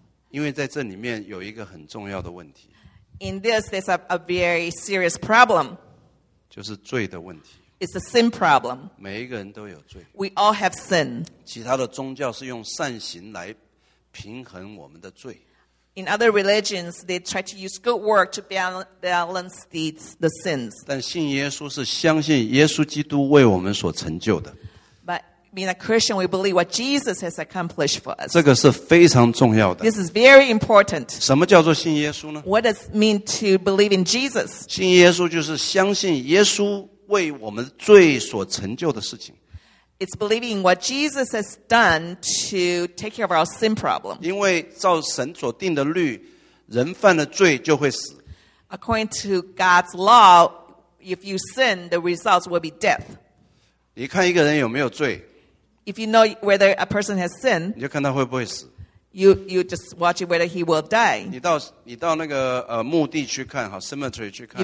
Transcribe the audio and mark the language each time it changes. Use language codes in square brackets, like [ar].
[zh] 因为在这里面有一个很重要的问题。 [en] In this, there's a very serious problem. [zh] 就是罪的问题。 [en] It's a sin problem. [zh] 每一个人都有罪。 [en] We all have sin. [zh] 其他的宗教是用善行来平衡我们的罪。 [en] In other religions, they try to use good work to balance the sins. [zh] 但信耶稣是相信耶稣基督为我们所成就的。 [en] Being a Christian, we believe what Jesus has accomplished for us. [zh] 这个是非常重要的。 [en] This is very important. [zh] 什么叫做信耶稣呢 [en] What does it mean to believe in Jesus? [zh] 信耶稣就是相信耶稣为我们罪所成就的事情。 [en] It's believing what Jesus has done to take care of our sin problem. [zh] 因为照神所定的律，人犯了罪就会死。 [en] According to God's law, if you sin, the results will be death. [zh] 你看一个人有没有罪 [en] If you know whether a person has sin, [zh] 你就看他会不会死 [en] You just watch it whether he will die. [zh] 你到那个墓地去看哈, cemetery 去看,